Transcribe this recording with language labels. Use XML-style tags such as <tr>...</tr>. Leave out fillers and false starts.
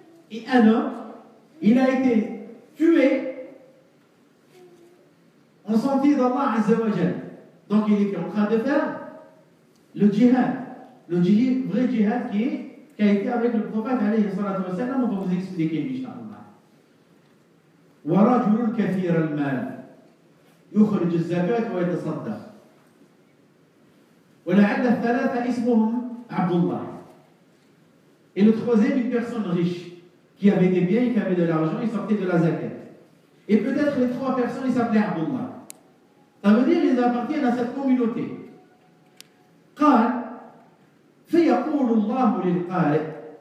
<fr>Et un homme, il a été tué en sentier d'Allah Azza wa Jal. Donc il était en train de faire le djihad. Le djihad, vrai djihad qui a été avec le prophète alayhi salatu wa sallam. On va vous expliquer, inshallah.</fr> <ar>وَرَجُلٌ كَثِيرَ الْمَالِ يخرج الزكاة ويتصدق. ولعل الثلاثة اسمهم عبد الله.</ar> <fr>Et le troisième, une personne riche qui avait des biens, qui avait de l'argent, il sortait de la zakat. Et peut-être les trois personnes, ils s'appelaient عبد الله. Ça veut dire qu'ils appartiennent à cette communauté.</fr> <ar>قال فيقول الله للقارئ.</ar>